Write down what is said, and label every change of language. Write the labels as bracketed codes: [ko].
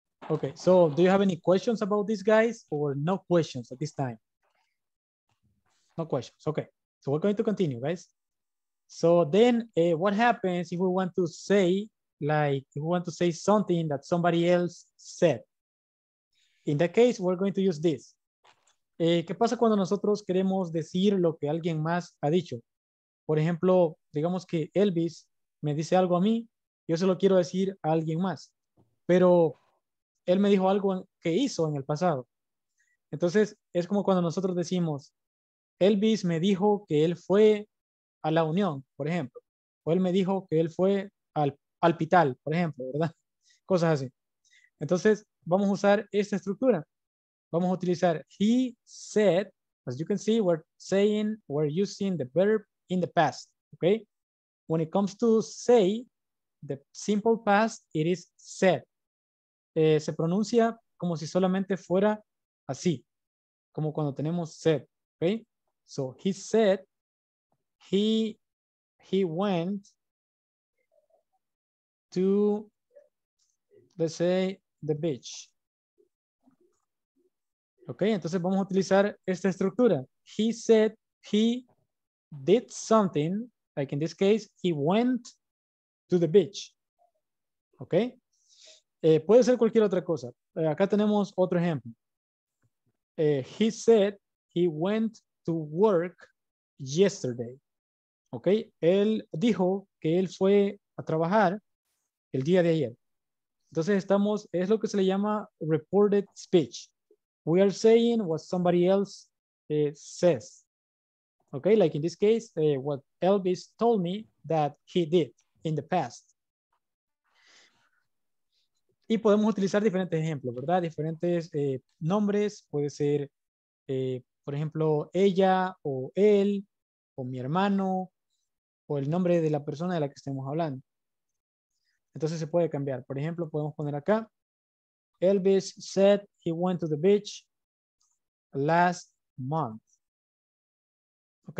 [en] Okay, so do you have any questions about these guys or no questions at this time? No questions. Okay. So we're going to continue, guys. So then what happens if we want to say, like, if we want to say something that somebody else said? In that case, we're going to use this. [es] ¿Qué pasa cuando nosotros queremos decir lo que alguien más ha dicho? Por ejemplo, digamos que Elvis me dice algo a mí, yo se lo quiero decir a alguien más. Pero él me dijo algo que hizo en el pasado. Entonces, es como cuando nosotros decimos, Elvis me dijo que él fue a la Unión, por ejemplo. O él me dijo que él fue al hospital, por ejemplo, ¿verdad? Cosas así. Entonces, vamos a usar esta estructura. Vamos a utilizar [en] he said, as you can see, we're using the verb in the past, okay? When it comes to say, the simple past, it is said. [es] Se pronuncia como si solamente fuera así, como cuando tenemos said, okay? [en] So he said he went to, let's say, the beach. Okay, [es] entonces vamos a utilizar esta estructura. [en] He said he did something, like in this case, he went to the beach. [es] Okay, puede ser cualquier otra cosa. Acá tenemos otro ejemplo. [en] He said he went to work yesterday. [es] Okay, él dijo que él fue a trabajar el día de ayer. Entonces estamos, es lo que se le llama reported speech. [en] We are saying what somebody else says. Okay, like in this case, what Elvis told me that he did in the past. [es] Y podemos utilizar diferentes ejemplos, ¿verdad? Diferentes nombres, puede ser por ejemplo, ella o él o mi hermano o el nombre de la persona de la que estemos hablando. Entonces se puede cambiar. Por ejemplo, podemos poner acá, [en] Elvis said he went to the beach last month. ¿Ok?